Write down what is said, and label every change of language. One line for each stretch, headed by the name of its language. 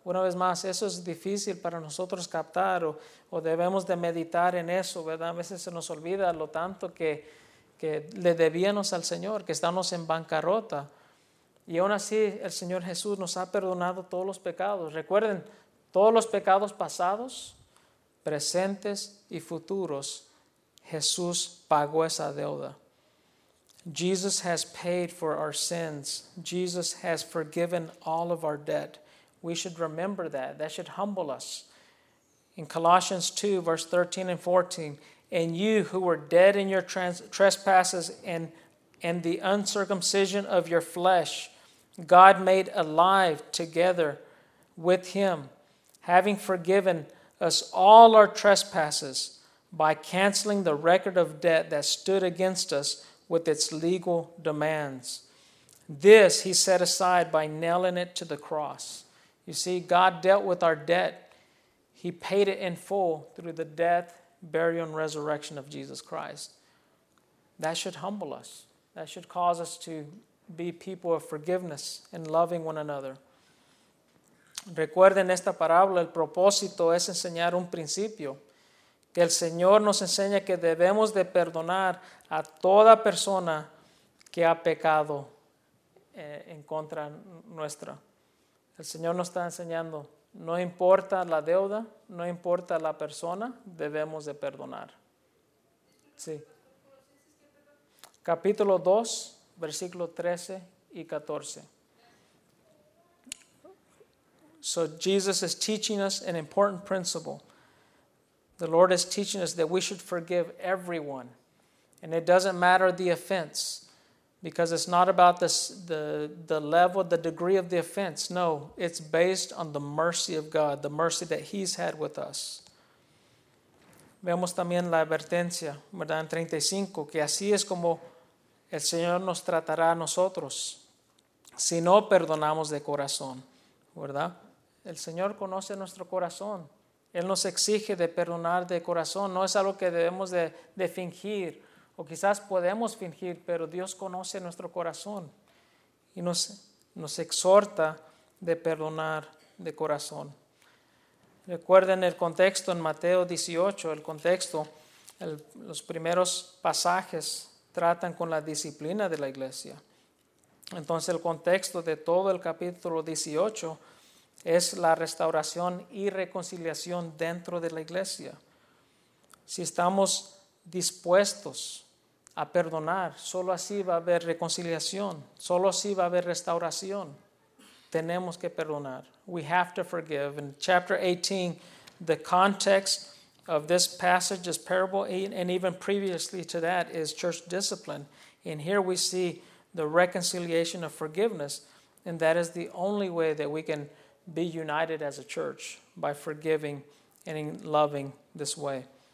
Spanish: Una vez más, eso es difícil para nosotros captar, o debemos de meditar en eso, ¿verdad? A veces se nos olvida lo tanto que le debíamos al Señor, que estamos en bancarrota. Y aún así, el Señor Jesús nos ha perdonado todos los pecados. Recuerden, todos los pecados pasados, presentes y futuros, Jesús pagó esa deuda.
English: Jesus has paid for our sins. Jesus has forgiven all of our debt. We should remember that. That should humble us. In Colossians 2, verse 13 and 14, and you who were dead in your trespasses and the uncircumcision of your flesh, God made alive together with him, having forgiven us all our trespasses by canceling the record of debt that stood against us with its legal demands. This he set aside by nailing it to the cross. You see, God dealt with our debt. He paid it in full through the death, burial, and resurrection of Jesus Christ. That should humble us. That should cause us to be people of forgiveness and loving one another.
Spanish: Recuerden esta parábola, el propósito es enseñar un principio. Que el Señor nos enseña que debemos de perdonar a toda persona que ha pecado en contra nuestra. El Señor nos está enseñando, no importa la deuda, no importa la persona, debemos de perdonar. Sí. Capítulo 2, versículo 13 y 14.
English: So Jesus is teaching us an important principle. The Lord is teaching us that we should forgive everyone. And it doesn't matter the offense, because it's not about the level, the degree of the offense. No, it's based on the mercy of God, the mercy that he's had with us.
Spanish: Vemos también la advertencia, ¿verdad? En 35, que así es como el Señor nos tratará a nosotros si no perdonamos de corazón, ¿verdad? El Señor conoce nuestro corazón. Él nos exige de perdonar de corazón. No es algo que debemos de fingir. O quizás podemos fingir, pero Dios conoce nuestro corazón. Y nos exhorta de perdonar de corazón. Recuerden el contexto en Mateo 18. El contexto, los primeros pasajes tratan con la disciplina de la iglesia. Entonces el contexto de todo el capítulo 18 es la restauración y reconciliación dentro de la iglesia. Si estamos dispuestos a perdonar, solo así va a haber reconciliación, solo así va a haber restauración. Tenemos que perdonar.
English: We have to forgive. In chapter 18, the context of this passage, this parable, and even previously to that is church discipline. And here we see the reconciliation of forgiveness, and that is the only way that we can be united as a church, by forgiving and in loving this way.